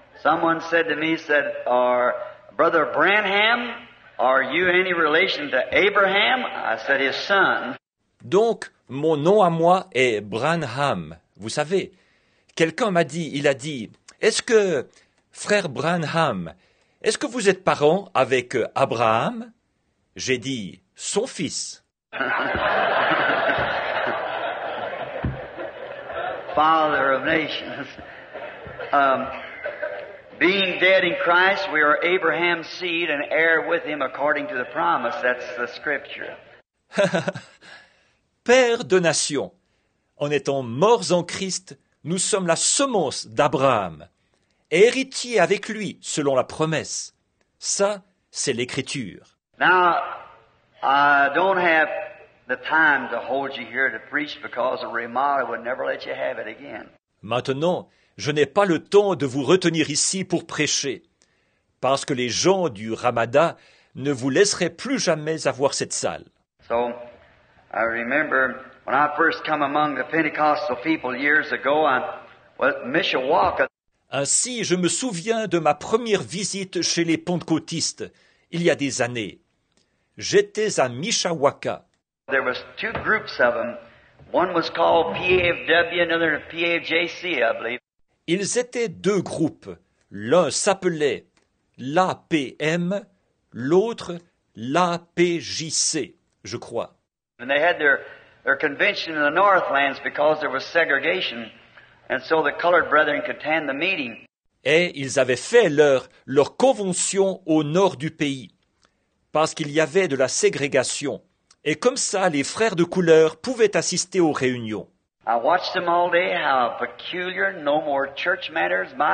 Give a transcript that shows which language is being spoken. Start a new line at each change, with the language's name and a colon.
English: Someone said, are Brother Branham, are you any relation to Abraham? I said, his son.
French: Donc, mon nom à moi est Branham. Vous savez, quelqu'un m'a dit, il a dit, est-ce que, frère Branham, est-ce que vous êtes parent avec Abraham? J'ai dit, son fils.
English: Father of nations. Being dead in Christ, we are Abraham's seed and heir with him according to the promise. That's the scripture.
French: Père de nations, en étant morts en Christ, nous sommes la semence d'Abraham, héritiers avec lui selon la promesse. Ça, c'est l'écriture.
English: Now, I don't have the time to hold you here to preach because the Ramada would never let you have it again.
French: Maintenant, je n'ai pas le temps de vous retenir ici pour prêcher, parce que les gens du Ramada ne vous laisseraient plus jamais avoir cette salle.
English: So, I remember when I first come among the Pentecostal people years ago, Mishawaka.
French: Ainsi, je me souviens de ma première visite chez les Pentecôtistes, il y a des années. J'étais à Mishawaka.
English: There was two groups of them. One was called PAFW, another PAJC, I believe.
French: Ils étaient deux groupes. L'un s'appelait l'APM, l'autre l'APJC, je crois.
English: And they had their convention in the Northlands because there was segregation. And so the colored brethren could attend the meeting.
French: Et ils avaient fait leur convention au nord du pays, parce qu'il y avait de la ségrégation. Et comme ça, les frères de couleur pouvaient assister aux réunions.
English: I watched them all day, how peculiar, no more church matters.